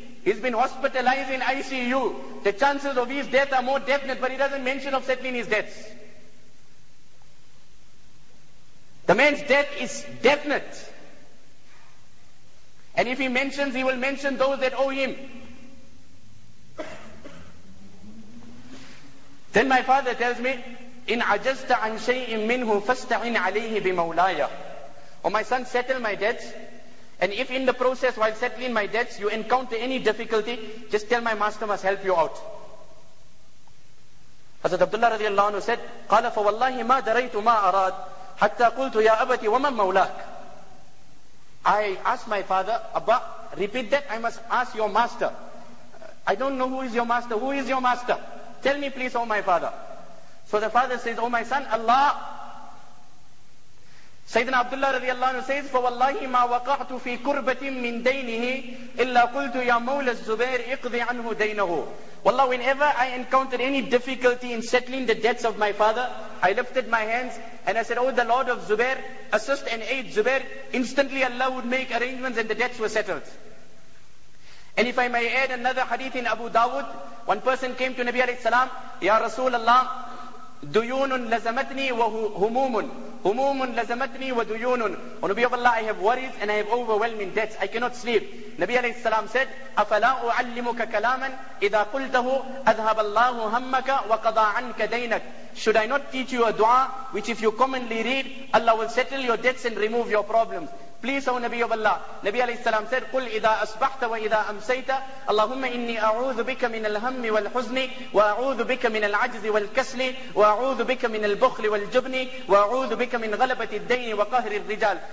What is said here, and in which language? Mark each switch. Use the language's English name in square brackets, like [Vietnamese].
[English] He's been hospitalized in ICU. The chances of his death are more definite, but he doesn't mention of settling his debts. The man's death is definite. And if he mentions, he will mention those that owe him. Then my father tells me, [Arabic] إِنْ عَجَزْتَ عَنْ شَيْءٍ مِّنْهُ فَاسْتَعِنْ عَلَيْهِ بِمَوْلَايَ. [English] Oh my son, settle my debts. And if in the process while settling my debts, you encounter any difficulty, just tell my master must help you out. Hazrat Abdullah radiallahu anhu said, [Arabic] قَالَ فَوَاللَّهِ مَا دَرَيْتُ مَا أَرَادْ حَتَّى قُلْتُ يَا أَبَتِ وَمَنْ مَوْلَاكَ. [English] I asked my father, Abba, repeat that, I must ask your master. I don't know who is your master. Who is your master? Tell me please, oh my father. So the father says, oh my son, Allah. Sayyidina Abdullah radiallahu anhu says, [Arabic] فَوَاللَّهِ مَا وَقَعْتُ فِي كُرْبَةٍ مِّن دَيْنِهِ إِلَّا قُلْتُ يَا مَوْلَى الزُّبَيْرِ اِقْضِ عَنْهُ دَيْنَهُ. [English] Wallah, whenever I encountered any difficulty in settling the debts of my father, I lifted my hands and I said, oh, the Lord of Zubair, assist and aid Zubair. Instantly Allah would make arrangements and the debts were settled. And if I may add another hadith in Abu Dawud, one person came to Nabi alayhi salam, Ya Rasulullah, [Arabic] ديون لزمتني وهموم هموم لزمتني وديون. ونبي الله, [English] I have worries and I have overwhelming debts. I cannot sleep. [Arabic] نبي عليه السلام said, أفلا أعلمك كلاما إذا قلته أذهب الله همك وقضى عنك دينك. [English] Should I not teach you a dua which if you commonly read, Allah will settle your debts and remove your problems? Please, O Nabi of Allah. Nabi alayhi salam said, [Arabic] قُلْ إِذَا أَصْبَحْتَ وَإِذَا أَمْسَيْتَ اللَّهُمَّ إِنِّي أَعُوذُ بِكَ مِنَ الْهَمِّ وَالْحُزْنِ وَأَعُوذُ بِكَ مِنَ الْعَجْزِ وَالْكَسْلِ وَأَعُوذُ بِكَ مِنَ الْبُخْلِ وَالْجُبْنِ وَأَعُوذُ بِكَ مِنْ غَلَبَةِ الدَّيْنِ وَقَهْرِ الرِّجَالِ.